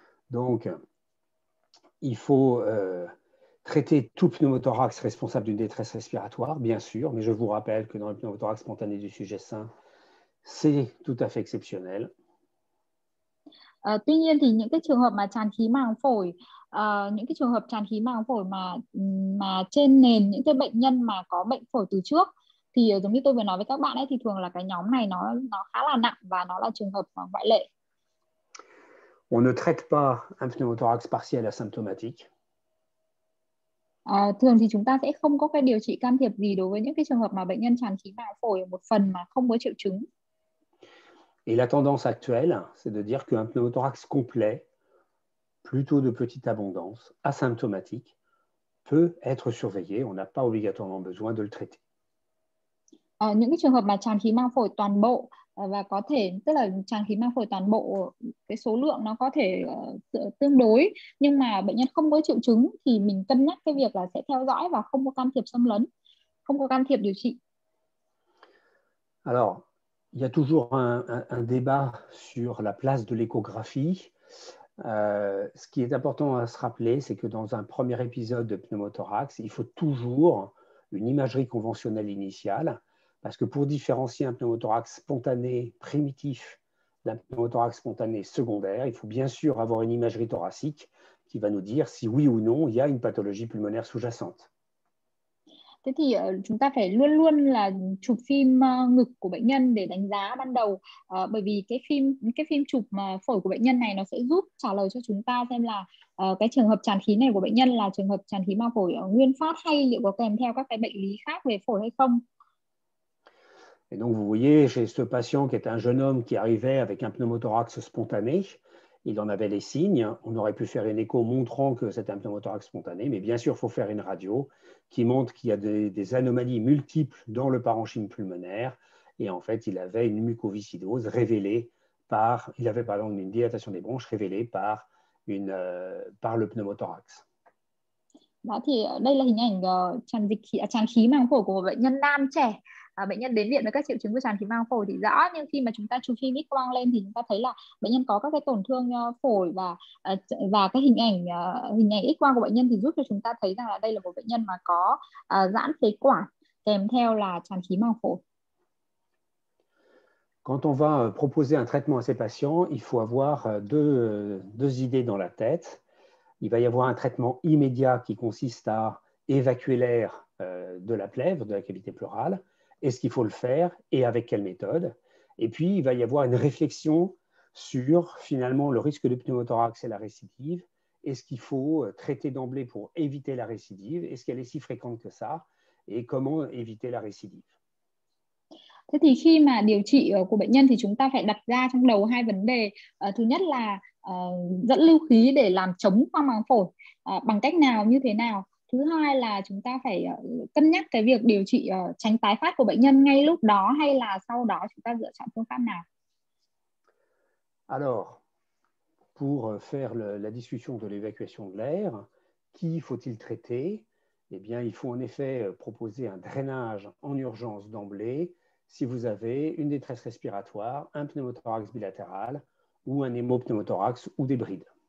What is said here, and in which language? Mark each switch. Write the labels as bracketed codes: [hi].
[fr] Donc, il faut traiter tout pneumothorax responsable d'une détresse respiratoire, bien sûr, mais je vous rappelle que dans le pneumothorax spontané du sujet sain, c'est tout à fait exceptionnel. [vi] Tuy nhiên thì những cái trường hợp mà tràn khí màng phổi, những cái trường hợp tràn khí màng phổi mà trên nền những cái bệnh nhân mà có bệnh phổi từ trước, thì giống như tôi vừa nói với các bạn ấy, thì thường là cái nhóm này nó khá là nặng và nó là trường hợp ngoại lệ. [fr] On ne traite pas un pneumothorax partiel asymptomatique. [vi] Thường thì chúng ta sẽ không có cái điều trị can thiệp gì đối với những cái trường hợp mà bệnh nhân tràn khí màng phổi một phần mà không có triệu chứng. [fr] Et la tendance actuelle, c'est de dire qu'un pneumothorax complet, plutôt de petite abondance, asymptomatique, peut être surveillé. On n'a pas obligatoirement besoin de le traiter. [vi] Những cái trường hợp mà tràn khí màng phổi toàn bộ và có thể, tức là tràn khí màng phổi toàn bộ, cái số lượng nó có thể tương đối, nhưng mà bệnh nhân không có triệu chứng thì mình cân nhắc cái việc là sẽ theo dõi và không có can thiệp xâm lấn, không có can thiệp điều trị. [fr] Alors, il y a toujours un débat sur la place de l'échographie. Ce qui est important à se rappeler, c'est que dans un premier épisode de pneumothorax, il faut toujours une imagerie conventionnelle initiale, parce que pour différencier un pneumothorax spontané primitif d'un pneumothorax spontané secondaire, il faut bien sûr avoir une imagerie thoracique qui va nous dire si oui ou non il y a une pathologie pulmonaire sous-jacente. [vi] Thế thì chúng ta phải luôn luôn là chụp phim ngực của bệnh nhân để đánh giá ban đầu, bởi vì cái phim chụp phổi của bệnh nhân này nó sẽ giúp trả lời cho chúng ta xem là cái trường hợp tràn khí này của bệnh nhân là trường hợp tràn khí màng phổi nguyên phát hay liệu có kèm theo các cái bệnh lý khác về phổi hay không. [fr] Et donc vous voyez, chez ce patient qui est un jeune homme qui arrivait avec un pneumothorax spontané, il en avait les signes. On aurait pu faire une écho montrant que c'est un pneumothorax spontané, mais bien sûr, il faut faire une radio qui montre qu'il y a des anomalies multiples dans le parenchyme pulmonaire. Et en fait, il avait une mucoviscidose révélée par, il avait par exemple une dilatation des bronches révélée par par le pneumothorax. [vi] Đó thì đây là hình ảnh tràn khí màng phổi của bệnh nhân nam trẻ. Bệnh nhân đến viện với các triệu chứng của tràn khí màng phổi thì rõ, nhưng khi mà chúng ta chụp phim X quang lên thì chúng ta thấy là bệnh nhân có các cái tổn thương phổi và cái hình ảnh X quang của bệnh nhân thì giúp cho chúng ta thấy rằng là đây là một bệnh nhân mà có giãn phế quản kèm theo là tràn khí màng phổi. [fr] Quand on va proposer un traitement à ces patients, il faut avoir deux idées dans la tête. Il va y avoir un traitement immédiat qui consiste à évacuer l'air de la plèvre, de la cavité pleurale. Est-ce qu'il faut le faire et avec quelle méthode? Et puis, il va y avoir une réflexion sur, finalement, le risque de pneumothorax et la récidive. Est-ce qu'il faut traiter d'emblée pour éviter la récidive? Est-ce qu'elle est si fréquente que ça? Et comment éviter la récidive? [vi] Thế thì khi mà điều trị của bệnh nhân thì chúng ta phải đặt ra trong đầu hai vấn đề. Thứ nhất là dẫn lưu khí để làm chống khoang màng phổi bằng cách nào, như thế nào. Thứ hai là chúng ta phải cân nhắc cái việc điều trị tránh tái phát của bệnh nhân ngay lúc đó hay là sau đó chúng ta lựa chọn phương pháp nào. [fr] Alors, pour faire la discussion de l'évacuation de l'air, qui faut-il traiter? Eh bien, il faut en effet proposer un drainage en urgence d'emblée si vous avez une détresse respiratoire, un pneumothorax bilatéral ou un hémopneumothorax ou des brides.